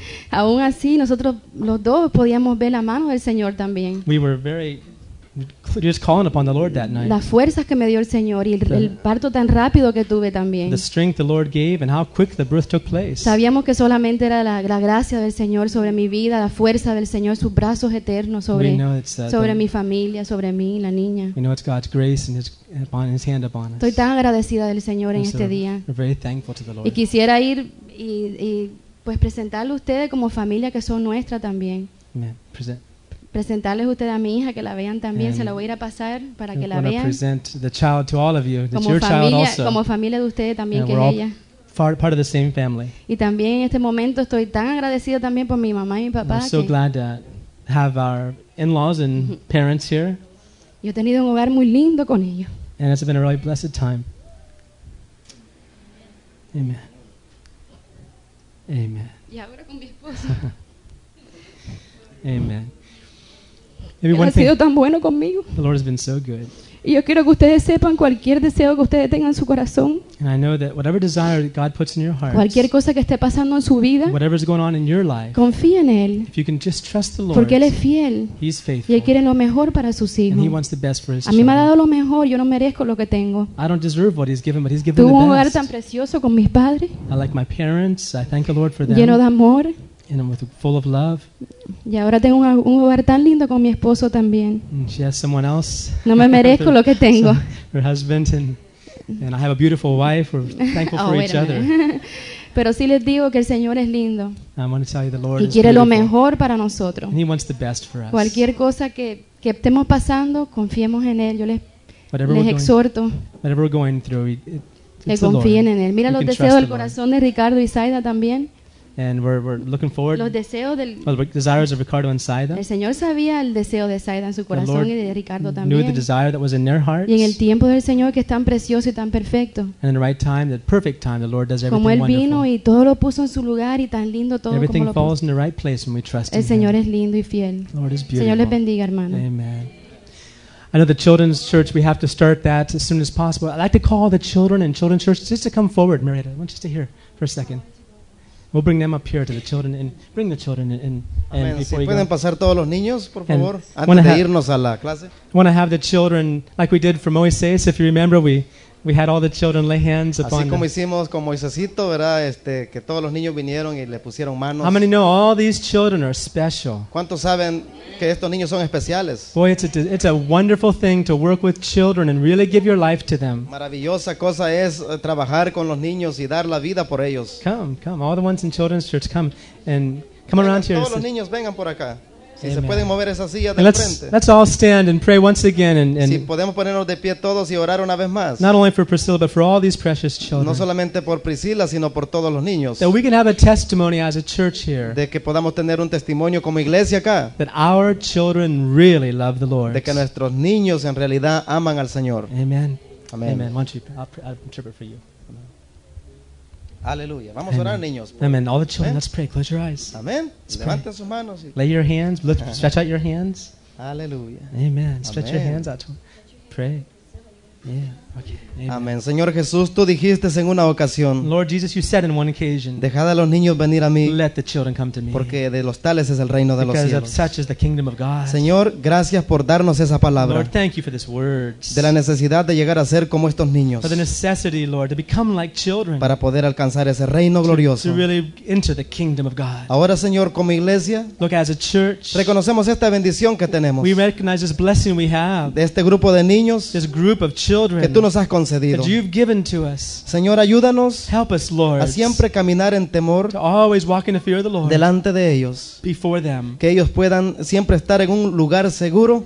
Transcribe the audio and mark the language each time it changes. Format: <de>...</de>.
<es>Aún así, nosotros los dos podíamos ver la mano del Señor también.</es> <en>We were very just calling upon the Lord that night.</en> <es>Las fuerzas que me dio el Señor y el parto tan rápido que tuve también.</es> <en>The strength the Lord gave and how quick the birth took place.</en> <es>Sabíamos que solamente era la gracia del Señor sobre mi vida, la fuerza del Señor, sus brazos eternos sobre mi familia, sobre mí, la niña.</es> <en>We know it's God's grace and his hand upon us.</en> <es>Estoy tan agradecida del Señor en este día.</es> <en>We're very thankful to the Lord.</en> <es>Y quisiera ir y pues presentarle a ustedes como familia que son nuestra también.</es> <en>Amen.</en> <es>Presentarles usted a mi hija que la vean también. And se la voy a ir a pasar para que la vean.</es> <en>Want to present the child to all of you. It's your child also.</en> <es>Como familia de ustedes también</es> <en>and</en> <es>que</es> <en>we're</en> <es>es</es> <en>all</en> <es>ella.</es> <en>Part of the same family.</en> <es>Y también en este momento estoy tan agradecida también por mi mamá y mi papá.</es> <en>We're so glad to have our in-laws and parents here.</en> <es>Yo he tenido un hogar muy lindo con ellos.</es> <en>And it's been a really blessed time. Amen. Amen.</en> <es>Y ahora con mi esposo.</es> <en>Amen.</en> <es>Maybe él ha sido tan bueno conmigo.</es> <en>The Lord has been so good.</en> <es>Y yo quiero que ustedes sepan cualquier deseo que ustedes tengan en su corazón.</es> <en>And I know that whatever desire God puts in your heart.</en> <es>Cualquier cosa que esté pasando en su vida.</es> <en>Whatever is going on in your life.</en> <es>Confía en él.</es> <en>If you can just trust the Lord.</en> <es>Porque él es fiel.</es> <en>He's faithful.</en> <es>Y él quiere lo mejor para sus hijos.</es> <en>And he wants the best for his children.</en> <es>A mí me ha dado lo mejor. Yo no merezco lo que tengo.</es> <en>I don't deserve what he's given, but he's given the best.</en> <es>Tuve un hogar tan precioso con mis padres.</es> <en>I like my parents. I thank the Lord for them.</en> <es>Lleno de amor.</es> <en>And with full of love.</en> <es>Y ahora tengo un hogar tan lindo con mi esposo también.</es> <en>And she has someone else.</en> <es>No me merezco lo que tengo.</es> <en>Her husband and I have a beautiful wife. We're thankful oh, for each other.</en> <es>Pero sí les digo que el Señor es lindo.</es> <en>I want to tell you the Lord</en> <es>y quiere lo mejor para nosotros.</es> <en>And he wants the best for us.</en> <es>Cualquier cosa que estemos pasando, confiemos en él. Yo les exhorto.</es> <en>Whatever we're going through,</en> <es>Que confíen en él. Mira los deseos del corazón de Ricardo y Saida también.</es> <en>And we're looking forward.</en> <es>Los deseos del.</es> <en>Well, the desires of Ricardo and Saida.</en> <es>El Señor sabía el deseo de Saida en su corazón y de Ricardo también.</es> <en>Knew the desire that was in their hearts.</en> <es>Y en el tiempo del Señor que es tan precioso y tan perfecto.</es> <en>And in the right time, the perfect time, the Lord does everything wonderful.</en> <es>Como él vino y todo lo puso en su lugar y tan lindo todo.</es> <en>Everything falls in the right place when we trust</en> <es>Him. El Señor es lindo y fiel.</es> <en>The Lord is beautiful.</en> <es>Señor les bendiga, hermano.</es> <en>Amen. I know the children's church, we have to start that as soon as possible. I'd like to call the children and children's church just to come forward. Marietta, I want you to hear for a second. We'll bring them up here to the children and bring the children in. And amen.</en> <es>Before si pueden pasar todos los niños, por favor, antes de irnos a la clase.</es> <en>I want to have the children like we did for Moisés. If you remember, we had all the children lay hands upon.</en> <es>Así como hicimos con Moisésito, ¿verdad? Que todos los niños vinieron y le pusieron manos.</es> <en>How many know all these children are special?</en> <es>¿Cuántos saben que estos niños son especiales?</es> <en>Boy, it's a wonderful thing to work with children and really give your life to them.</en> <es>Maravillosa cosa es trabajar con los niños y dar la vida por ellos.</es> <en>Come, all the ones in children's church, come</en> <es>vengan</es> <en>around here.</en> <es>Todos los niños vengan por acá. Si se pueden mover esa silla de</es> <en>frente. Let's all stand and pray once again.</en> <es>Si podemos ponernos de pie todos y orar una vez más.</es> <en>Not only for Priscilla, but for all these precious children.</en> <es>No solamente por Priscilla, sino por todos los niños.</es> <en>That we can have a testimony as a church here.</en> <es>De que podamos tener un testimonio como iglesia acá.</es> <en>That our children really love the Lord.</en> <es>De que nuestros niños en realidad aman al Señor.</es> <en>Amen. Amen. Amen. I'll interpret for you.</en> <es>Aleluya. Vamos a orar, niños.</es> <en>Amen. All the children, let's pray. Close your eyes.</en> <es>Amen. Levanta sus manos.</es> <en>Lay your hands. Stretch out your hands.</en> <es>Aleluya.</es> <en>Amen. Stretch your hands out. Pray. Yeah. Okay.</en> <es>Amen. Amen. Señor Jesús, tú dijiste en una ocasión.</es> <en>Lord Jesus, you said in one occasion.</en> <es>Dejad a los niños venir a mí.</es> <en>Let the children come to me.</en> <es>Porque de los tales es el reino de los cielos.</es> <en>Because of such is the kingdom of God.</en> <es>Señor, gracias por darnos esa palabra.</es> <en>Lord, thank you for this word.</en> <es>De la necesidad de llegar a ser como estos niños.</es> <en>For the necessity, Lord, to become like children.</en> <es>Para poder alcanzar ese reino glorioso.</es> <en>To really enter the kingdom of God.</en> <es>Ahora, Señor, como iglesia.</es> <en>Look, as a church.</en> <es>Reconocemos esta bendición que tenemos.</es> <en>We recognize this blessing we have.</en> <es>De este grupo de niños.</es> <en>This group of children.</en> <es>Tú nos has concedido.</es> <en>That you've given to us.</en> <es>Señor, ayúdanos.</es> <en>Help us, Lord,</en> <es>a siempre caminar en temor.</es> <en>To always walk in the fear of the Lord.</en> <es>Delante de ellos.</es> <en>Before them.</en> <es>Que ellos puedan siempre estar en un lugar seguro.</es>